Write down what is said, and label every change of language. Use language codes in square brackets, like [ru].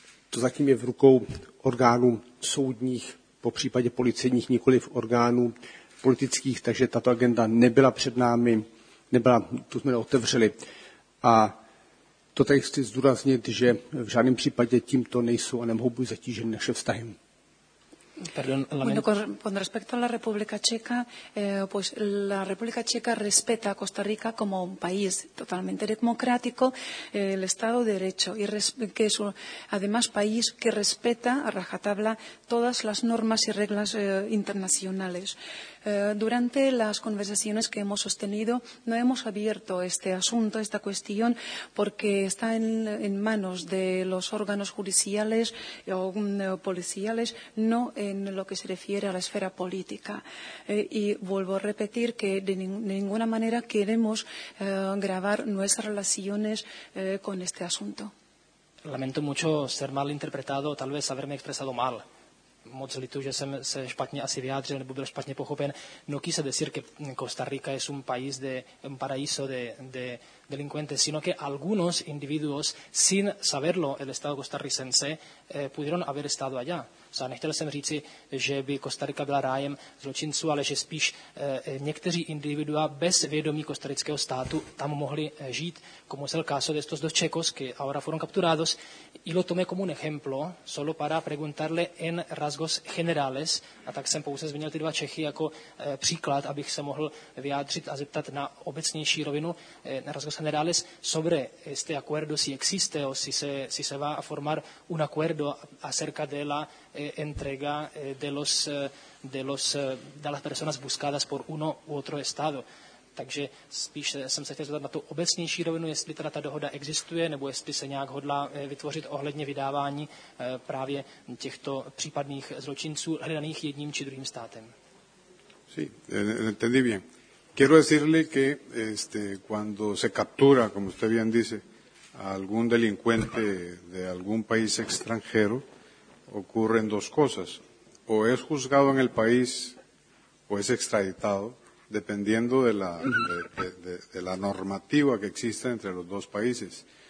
[cs] to zatím je v rukou orgánů soudních, po případě policejních, nikoliv orgánů politických, takže tato agenda nebyla před námi. Tu jsme neotevřeli. A to tady chci zdůraznit, že v žádném případě tímto nejsou a nemohou být zatíženy naše vztahy. [es] Bueno, con respecto a la República Checa, pues la República Checa respeta a Costa Rica como un país totalmente democrático, el Estado de Derecho, y que es además país que respeta a rajatabla todas las normas y reglas internacionales. Durante las conversaciones que hemos sostenido, no hemos abierto este asunto, esta cuestión, porque está en manos de los órganos judiciales o policiales, no en lo que se refiere a la esfera política. Y vuelvo a repetir que de ninguna manera queremos grabar nuestras relaciones con este asunto. Lamento mucho ser mal interpretado, tal vez haberme expresado mal. [cs] Moc lituji, že jsem se špatně asi vyjádřil nebo byl špatně pochopen. [es] No quise decir que Costa Rica es un país de un paraíso de delincuentes, sino que algunos individuos, sin saberlo el Estado costarricense, pudieron haber estado allá. O sea, [cs] nechtěl jsem říci, že by Costa Rica byla rájem zločinců, ale že spíš někteří individua bez vědomí costarického státu tam mohli žít, [es] como es el caso de estos dos checos, que ahora fueron capturados. Y lo tomé como un ejemplo, solo para preguntarle en rasgos generales, [cs] a tak jsem pouze zmínil ty dva Čechy jako příklad, abych se mohl vyjádřit a zeptat na obecnější rovinu, [es] generales sobre este acuerdo, si existe o si se va a formar un acuerdo acerca de la entrega de las personas buscadas por uno u otro estado. [cs] Takže spíš jsem se chtěl zeptat na tu obecnější rovinu, jestli teda ta dohoda existuje, nebo jestli se nějak hodlá vytvořit ohledně vydávání právě těchto případných zločinců hledaných jedním či druhým státem. [es] Sí, entendí bien. Quiero decirle que cuando se captura, como usted bien dice, a algún delincuente de algún país extranjero, ocurren dos cosas. O es juzgado en el país o es extraditado, dependiendo de la normativa que existe entre los dos países.